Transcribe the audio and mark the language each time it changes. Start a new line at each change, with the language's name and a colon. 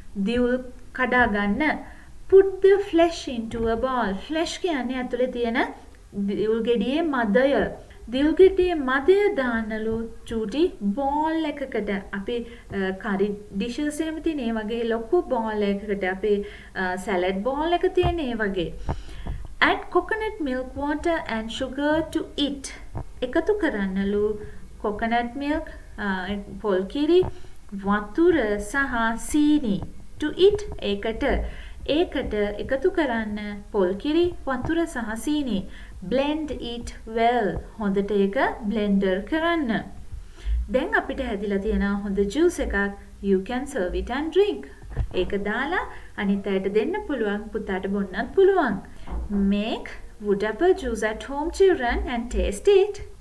Sinhala: දියුල් කඩා ගන්න.
English: put the flesh into a ball.
Sinhala: flesh කියන්නේ ඇතුලේ තියෙන දියුල් ගෙඩියේ මදය. දියුල් ගෙඩියේ මදය දානලු චූටි ball එකකට. අපි curry dishes එහෙම තියෙන ඒ වගේ ලොකු ball එකකට, අපි salad ball එක තියෙන ඒ වගේ.
English: add coconut milk, water and sugar to it.
Sinhala: එකතු කරන්නලු coconut milk, පොල් කිරි, වතුර සහ සීනි.
English: to it
Sinhala: ඒකට. ඒකට එකතු කරන්න පොල් කිරි, වතුර සහ සීනි.
English: blend it well.
Sinhala: හොඳට ඒක blender කරන්න. දැන් අපිට හැදිලා තියෙන හොඳ juice එකක්.
English: you can serve it and drink.
Sinhala: ඒක දාලා අනිත් අයට දෙන්න පුළුවන්, පුතාට බොන්නත් පුළුවන්.
English: make wood apple juice at home children and taste it.